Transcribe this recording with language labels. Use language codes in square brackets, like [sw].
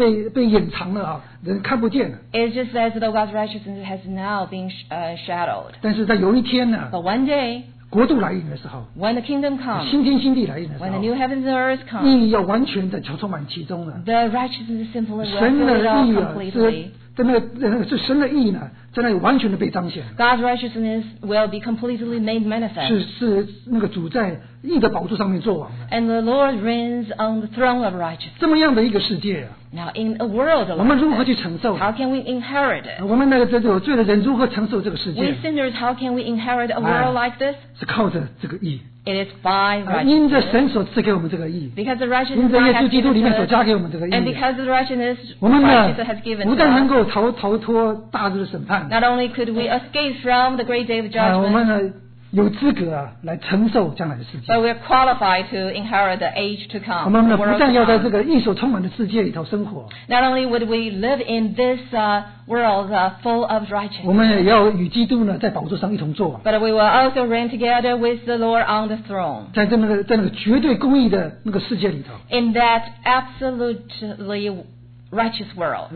[zh] 好像是神的公义也被掩藏了，人看不见了。 [en] It's just as though God's righteousness has now been shadowed. [zh] 但是在有一天呢, [en] but one day, [zh] 国度来临的时候, [en] when the kingdom comes, [zh] 新天新地来临的时候, [en] when the new heavens and earth come, [zh] 义要完全的充满其中了, [en] the righteousness simply will fill it all completely. [zh] 神的义呢，在那里完全的被彰显, [en] God's righteousness will be completely made manifest. [zh] 是那个主在义的宝座上面作王, [en] and the Lord reigns on the throne of righteousness. [zh] 这么样的一个世界, [en] now in a world like [zh] 我们如何去承受, [en] how can we inherit it? [zh] 我们那个有罪的人如何承受这个世界? [en] We sinners, how can we inherit a world like this? [zh] 是靠着这个义。 [en] It is by righteousness. Because the righteousness God has given us, and because the righteousness Jesus has given us, [zh] 逃脱大日的审判, [en] not only could we escape from the great day of judgment, [zh] 我们呢有资格来承受将来的世界, [en] but we are qualified to inherit the age to come. [zh] 我们呢不但要在这个义所充满的世界里头生活, [en] not only would we live in this world full of righteousness, [zh] 我们也要与基督呢在宝座上一同坐, [en] but we will also reign together with the Lord on the throne. [zh] 在那个绝对公义的那个世界里头, in that absolutely righteous world,